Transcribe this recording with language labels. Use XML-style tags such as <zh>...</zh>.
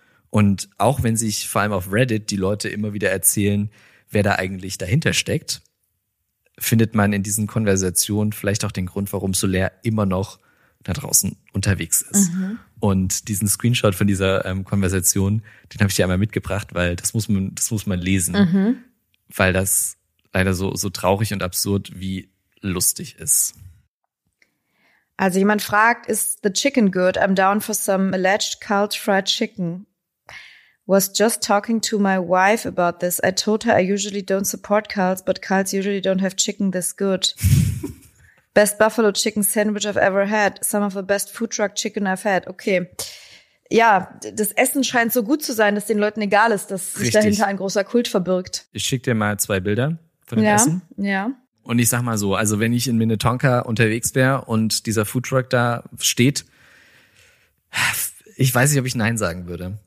<de>Und auch wenn sich vor allem auf Reddit die Leute immer wieder erzählen, wer da eigentlich dahinter steckt, findet man in diesen Konversationen vielleicht auch den Grund, warum Soler immer noch da draußen unterwegs ist. Mhm. Und diesen Screenshot von dieser Konversation, den habe ich dir einmal mitgebracht, weil das muss man lesen, weil das leider so traurig und absurd wie lustig ist. Also jemand fragt,</de> <en>is the chicken good? I'm down for some alleged cult fried chicken. Was just talking to my wife about this. I told her I usually don't support cults, but cults usually don't have chicken this good. Best buffalo chicken sandwich I've ever had. Some of the best food truck chicken I've had. Okay.</en> <de>Ja, das Essen scheint so gut zu sein, dass den Leuten egal ist, dass sich dahinter ein großer Kult verbirgt. Ich schick dir mal 2 Bilder von dem Essen. Ja. Und ich sag mal so, also wenn ich in Minnetonka unterwegs wäre und dieser Food Truck da steht, ich weiß nicht, ob ich Nein sagen würde.</de>